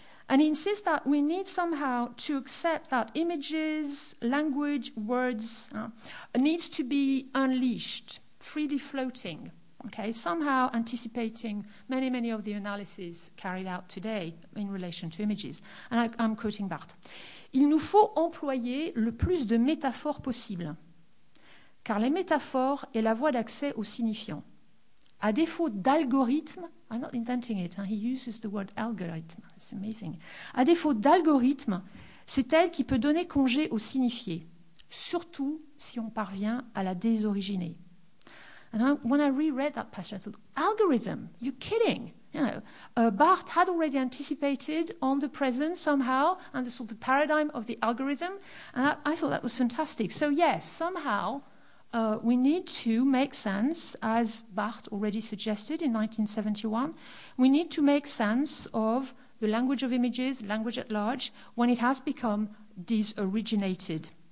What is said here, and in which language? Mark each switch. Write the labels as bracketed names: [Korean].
[English] And he insists that we need somehow to accept that images, language, words needs to be unleashed, freely floating, okay, somehow anticipating many, many of the analyses carried out today in relation to images. And I'm quoting Barthes. [French] Il nous faut employer le plus de métaphores possible, car les métaphores est la voie d'accès au signifiant. À défaut d'algorithme, [English] I'm not inventing it, he uses the word algorithm, it's amazing. [French] À défaut d'algorithme, c'est elle qui peut donner congé au signifié, surtout si on parvient à la désoriginer. [English] And when I reread that passage, I thought, algorithm, you're kidding. You know, Barthes had already anticipated on the present somehow, and the sort of paradigm of the algorithm, and I thought that was fantastic. So yes, somehow, we need to make sense, as Barthes already suggested in 1971, we need to make sense of the language of images, language at large, when it has become disoriginated.